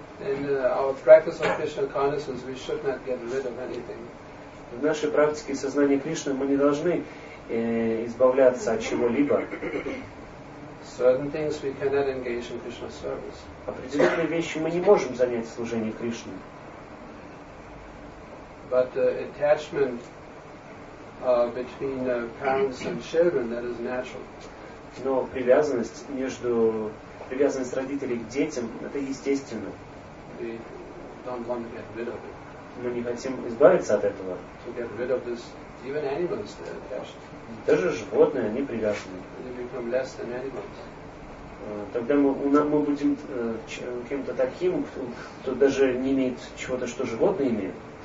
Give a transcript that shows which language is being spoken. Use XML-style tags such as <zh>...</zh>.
<en>In our practice of Krishna consciousness, we should not get rid of anything.</en> <ru>В нашей практике сознания Кришны мы не должны избавляться от чего-либо.</ru> <en>Certain things we cannot engage in Krishna service.</en> <ru>Определенные вещи мы не можем занять в служении Кришне.</ru> <en>But attachment between parents and children that is natural.</en> <ru>Но привязанность между привязанность родителей к детям это естественно.</ru> <en>We don't want to get rid of it.</en> <ru>Мы не хотим избавиться от этого.</ru> <en>To get rid of this, even animals they're attached.</en> <ru>Даже животные они привязаны.</ru> <en>They become less than animals.</en> <ru>Тогда мы будем кем-то таким, кто даже не имеет чего-то, что животные имеют.</ru>